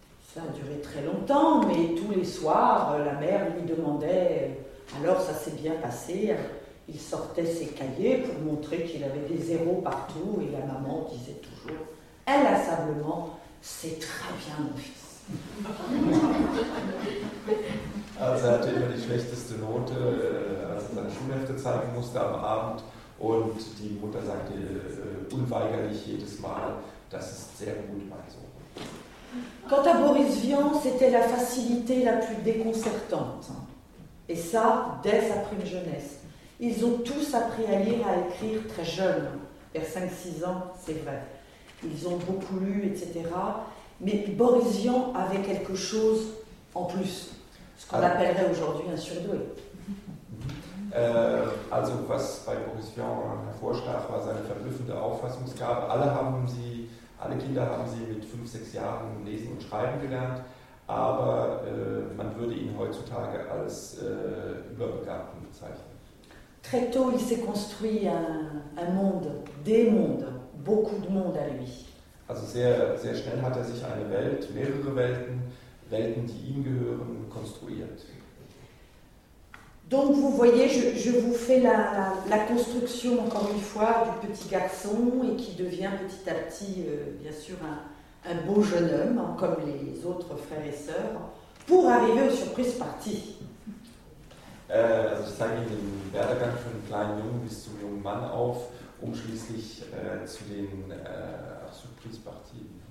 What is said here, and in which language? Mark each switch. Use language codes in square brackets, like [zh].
[fr] Ça a duré très longtemps, mais tous les soirs, la mère lui demandait, alors ça s'est bien passé, il sortait ses cahiers pour montrer qu'il avait des zéros partout, et la maman disait toujours, inlassablement, c'est très bien mon fils. [de] Also er hatte immer die schlechteste Note, seine Schulhefte zeigen musste am Abend. Und die Mutter sagte unweigerlich jedes Mal, das ist sehr gut, mein Sohn. [fr] Quant à Boris Vian, c'était la facilité la plus déconcertante. Et ça, dès sa prime jeunesse. Ils ont tous appris à lire, à écrire très jeunes, vers 5-6 ans, c'est vrai. Ils ont beaucoup lu, etc. Mais Boris Vian avait quelque chose en plus, ce qu'on appellerait aujourd'hui un surdoué. [de] Also, was bei Boris Vian hervorstach, war seine verblüffende Auffassungsgabe. Alle Kinder haben sie mit 5-6 Jahren lesen und schreiben gelernt, aber man würde ihn heutzutage als überbegabten bezeichnen. [fr] Très tôt, il s'est construit un monde, des mondes, beaucoup de mondes à lui. [de] Also sehr, sehr schnell hat er sich eine Welt, mehrere Welten, Welten, die ihm gehören, konstruiert. [fr] Donc vous voyez, je vous fais la construction encore une fois du petit garçon et qui devient petit à petit, bien sûr, un beau jeune homme, hein, comme les autres frères et sœurs, pour arriver aux surprises parties. [de] Also ich zeige Ihnen den Werdegang von kleinen Jungen bis zum jungen Mann auf, um schließlich zu den surprise parties.